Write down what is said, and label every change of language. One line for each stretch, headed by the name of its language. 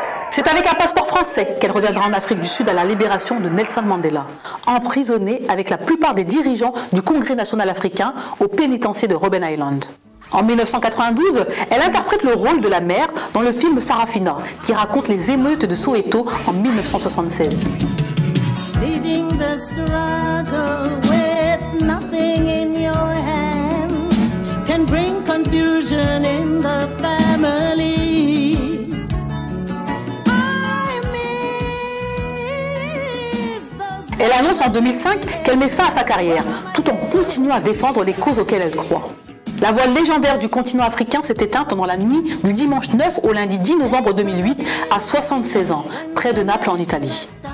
French: C'est avec un passeport français qu'elle reviendra en Afrique du Sud à la libération de Nelson Mandela, emprisonnée avec la plupart des dirigeants du Congrès national africain au pénitencier de Robben Island. En 1992, elle interprète le rôle de la mère dans le film Sarafina, qui raconte les émeutes de Soweto en 1976.
English: Leading the struggle with nothing in your hands can bring confusion in the family.
French: Elle annonce en 2005 qu'elle met fin à sa carrière, tout en continuant à défendre les causes auxquelles elle croit. La voix légendaire du continent africain s'est éteinte pendant la nuit du dimanche 9 au lundi 10 novembre 2008 à 76 ans, près de Naples en Italie.